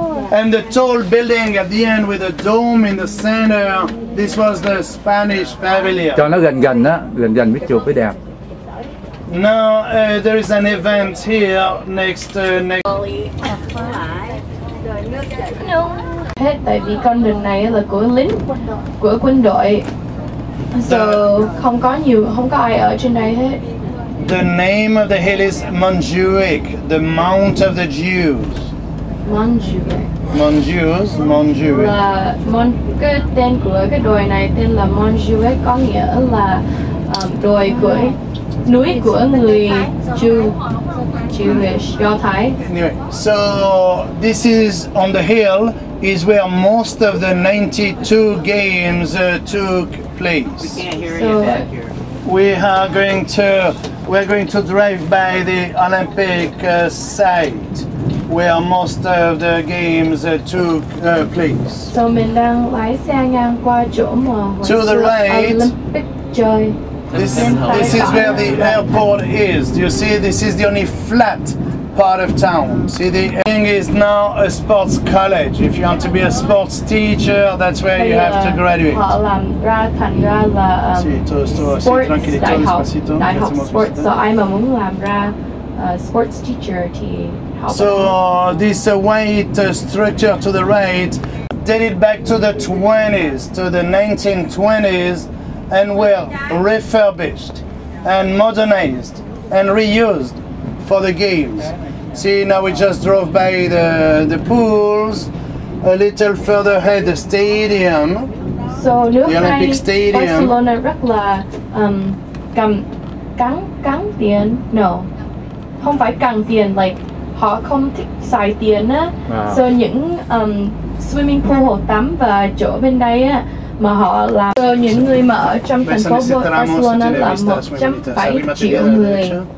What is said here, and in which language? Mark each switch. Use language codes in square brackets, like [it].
[en] And the tall building at the end with a dome in the center. This was the Spanish pavilion. [vi] Cho nó gần gần mới chụp mới đẹp. [en] Now there is an event here next. No. [vi] hết tại vì con đường này là của lính, của quân đội. So không có nhiều, không có ai ở trên đây hết. [en] The name of the hill is Montjuic, the Mount of the Jews. Montjuic. Montjuic. [vi] Là mon, cái tên của cái đồi này tên là Montjuic, có nghĩa là đồi của núi của người Jewish, Do Thái. [en] Anyway, so this is on the hill is where most of the 92 games took place. We're going to drive by the Olympic site where most of the games took place. [vi] So mình đang lái xe ngang qua chỗ mà [en] to the right. [vi] Olympic chơi. [en] This is where the airport is. Do you see? This is the only flat part of town. See, the thing is now a sports college. If you want to be a sports teacher, that's where you have to graduate. [vi] Họ làm ra thành ra là sports đại học. So I'm a muốn làm ra sports teacher thì học. [en] So this white structure to the right dated back to the 20s, to the 1920s, and were refurbished and modernized and reused for the games. See, now we just drove by the pools, a little further ahead the stadium. So the Olympic Stadium. [vi] Barcelona rất là căng tiền. No, không phải căng tiền, like họ không thích xài tiền á. So những swimming pool, hồ tắm và chỗ bên đây á mà họ làm cho những người mà ở trong thành phố Barcelona là 1.7 triệu người.